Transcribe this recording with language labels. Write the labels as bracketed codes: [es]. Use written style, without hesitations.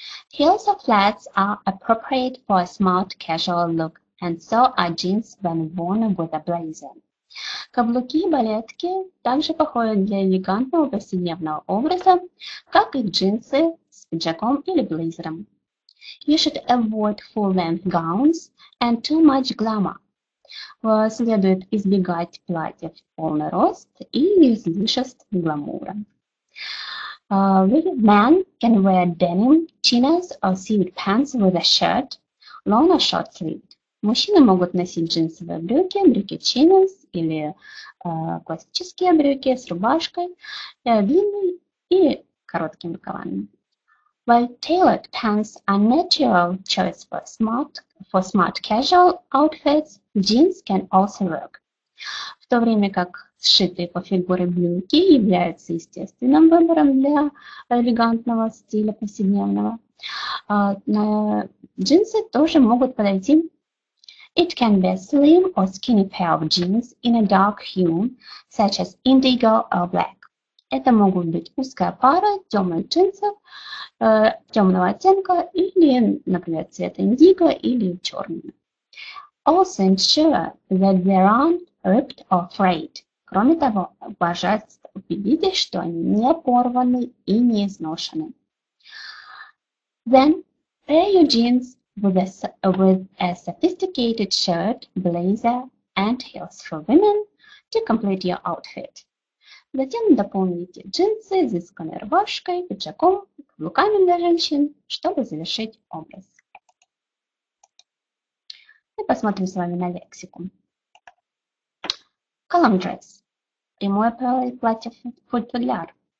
[en] Heels or flats are appropriate for a smart casual look, and so are jeans when worn with a blazer. [ru] Каблуки и балетки также подходят для элегантного повседневного образа, как и джинсы с пиджаком или блейзером. [en] You should avoid full-length gowns and too much glamour. [ru] Следует избегать платьев в полный рост и излишеств гламура. [en] Men can wear denim, chinos or seamed pants with a shirt, long or short sleeve. [ru] Мужчины могут носить джинсовые брюки, брюки чинос или классические брюки с рубашкой, длинными и короткими рукавами. [en] While tailored pants are natural choice for smart casual outfits, jeans can also work. [ru] В то время как сшитые по фигуре брюки являются естественным выбором для элегантного стиля повседневного, джинсы тоже могут подойти. [en] It can be a slim or skinny pair of jeans in a dark hue, such as indigo or black. [ru] Это могут быть узкая пара темных джинсов темного оттенка или, например, цвета индиго или черного. [en] Also ensure that they aren't ripped or frayed. [ru] Кроме того, пожалуйста, убедитесь, что они не порваны и не изношены. [en] Then pair your jeans with a sophisticated shirt, blazer, and heels for women to complete your outfit. [ru] Затем дополните джинсы изысканной рубашкой, пиджаком, каблуками для женщин, чтобы завершить образ. Мы посмотрим с вами на лексику. Column dress. Прямое платье футляр.